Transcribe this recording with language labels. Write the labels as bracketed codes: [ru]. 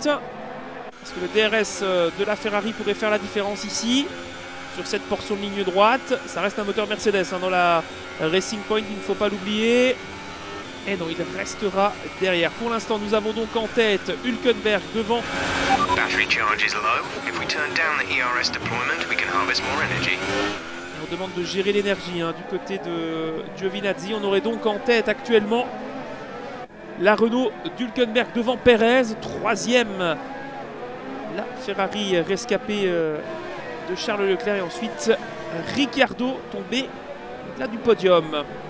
[fr] Parce que le DRS de la Ferrari pourrait faire la différence ici, sur cette portion de ligne droite. Ça reste un moteur Mercedes hein, dans la Racing Point, il ne faut pas l'oublier. Et non, il restera derrière. Pour l'instant, nous avons donc en tête Hülkenberg devant. [en] Battery charge is low. If we turn down the ERS deployment, we can harvest more energy. [fr] On demande de gérer l'énergie hein, du côté de Giovinazzi. On aurait donc en tête actuellement la Renault d'Hülkenberg devant Pérez. Troisième, la Ferrari rescapée de Charles Leclerc. Et ensuite, Ricciardo tombé là du podium.